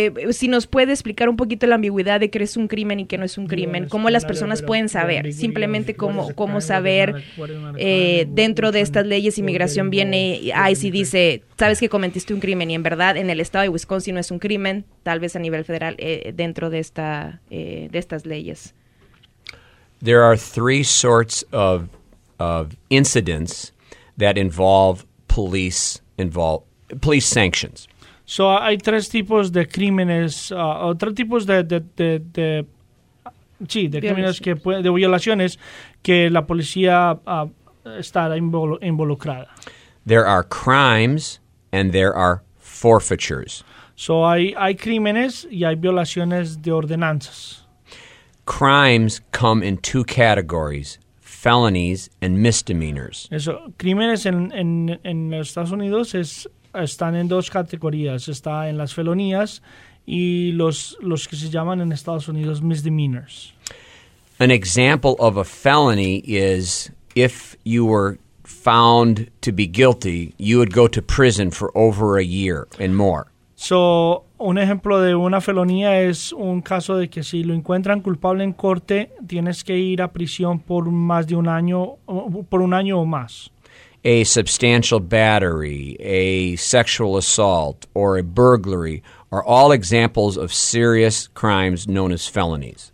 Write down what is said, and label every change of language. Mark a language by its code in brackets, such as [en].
[es] Si nos puede explicar un poquito la ambigüedad de que es un crimen y que no es un crimen, cómo las personas pueden saber, simplemente cómo saber dentro de estas leyes. Inmigración viene ICE y dice, sabes que cometiste un crimen, y en verdad en el estado de Wisconsin no es un crimen, tal vez a nivel federal dentro de esta de estas leyes. [en] There are three sorts of incidents that involve police sanctions. [es] So hay tres tipos de crímenes, tres tipos de crímenes de violaciones que la policía está involucrada. [en] There are crimes and there are forfeitures. [es] So hay crímenes y hay violaciones de ordenanzas. [en] Crimes come in two categories: felonies and misdemeanors. [es] Eso, crímenes en Estados Unidos están en dos categorías, está en las felonías y los que se llaman en Estados Unidos misdemeanors. [en] An example of a felony is if you were found to be guilty, you would go to prison for over a year and more. [es] So, un ejemplo de una felonía es un caso de que si lo encuentran culpable en corte, tienes que ir a prisión por más de un año, por un año o más. [en] A substantial battery, a sexual assault, or a burglary are all examples of serious crimes known as felonies.